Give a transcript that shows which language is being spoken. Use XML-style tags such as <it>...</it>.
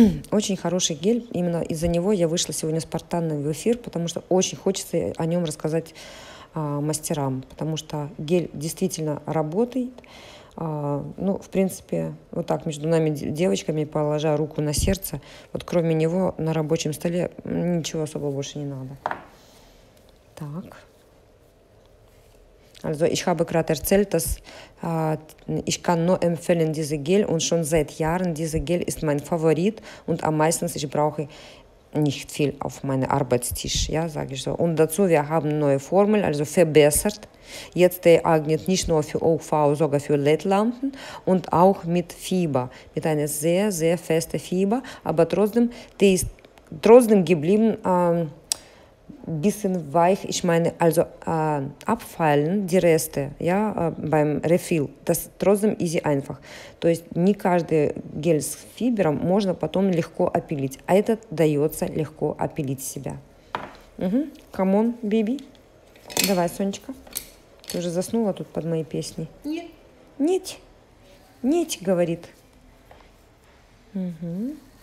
<ru>Очень хороший гель. Именно из-за него я вышла сегодня спонтанно в эфир, потому что очень хочется о нем рассказать мастерам. Потому что гель действительно работает. Ну, в принципе, вот так между нами девочками, положа руку на сердце, вот кроме него на рабочем столе ничего особо больше не надо. Так.</ru> <de>Also ich habe gerade erzählt, dass ich kann nur empfehlen diese Gel und schon seit Jahren diese Gel ist mein Favorit und am meisten ich brauche nicht viel auf meinen Arbeitstisch, ja, sage ich so. Und dazu wir haben neue Formel, also verbessert. Jetzt eignet nicht nur für UV, sogar für LED-Lampen und auch mit Fieber, mit einer sehr, sehr feste Fieber, aber trotzdem, die ist trotzdem geblieben. Bisschen weich, ich meine, also abfallen die Reste, ja, beim Refill, das trotzdem easy einfach.</de> <ru>То есть не каждый гель с фибером можно потом легко опилить, а этот дается легко опилить себя. Угу.</ru> <en>Come on, baby.</en> <ru>Давай, Сонечка. Ты уже заснула тут под мои песни? Нет. Нет, говорит. Угу.</ru>